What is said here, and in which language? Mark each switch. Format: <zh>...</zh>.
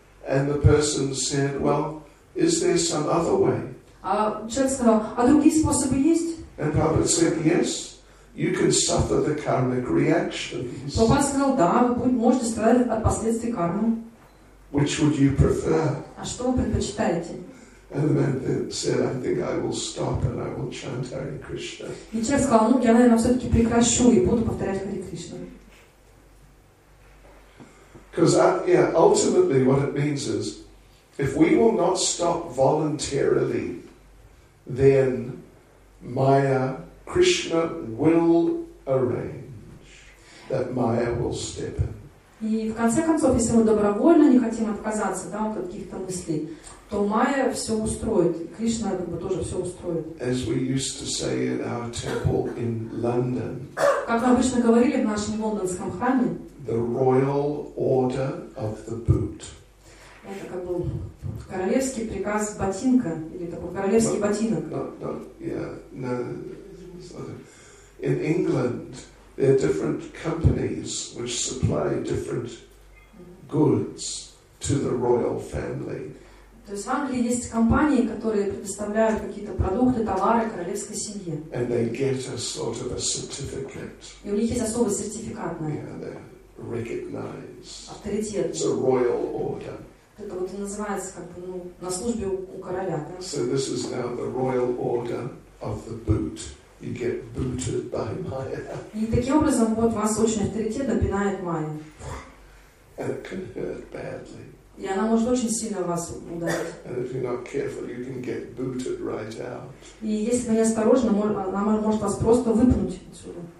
<en>And the person said, well, is there some other way?</en> <ru>А человек сказал, а другие способы есть?</ru> <en>And Prabhupada said, yes, you can suffer the karmic reactions.</en> <ru>Прабхупада сказал, да, вы можете страдать от последствий кармы.</ru> <en>Which would you prefer?</en> <ru>А что вы предпочитаете?</ru> <en>And the man said, I think I will stop and I will chant Hare Krishna.</en> <ru>И человек сказал, ну, я, наверное, все-таки прекращу и буду повторять Hare Krishna.</ru> <en>Because ultimately what it means is, if we will not stop voluntarily, then Maya, Krishna will arrange that Maya will step in.</en> <ru>И в конце концов, если мы добровольно не хотим отказаться, да, от каких-то мыслей, то Майя все устроит, Кришна как бы тоже все устроит.</ru> <en>As we used to say in our temple in London.</en> <ru>Как мы обычно говорили в нашем лондонском храме.</ru> <en>The royal order of the boot.</en> <ru>Это как бы королевский приказ ботинка или такой королевский ботинок.</ru> <en>In England. There are different companies which supply different goods to the royal family.</en> <ru>То есть в Англии есть компании, которые предоставляют какие-то продукты, товары королевской семье.</ru> <en>And they get a sort of a certificate.</en> <ru>И у них есть особый сертификат на это.</ru> <en>They're recognized.</en> <ru>Авторитет.</ru> <en>It's a royal order.</en> <ru>Это вот и называется как бы на службе у короля.</ru> <en>So this is now the royal order of the boot. You get booted by Maya.</en> <ru>И таким образом вот вас очень авторитетно пинает Майя.</ru> <en>And it can hurt badly.</en> <ru>И она может очень сильно вас ударить.</ru> <en>And if you're not careful, you can get booted right out.</en> <ru>И если вы неосторожны, она может вас просто выпнуть отсюда.</ru>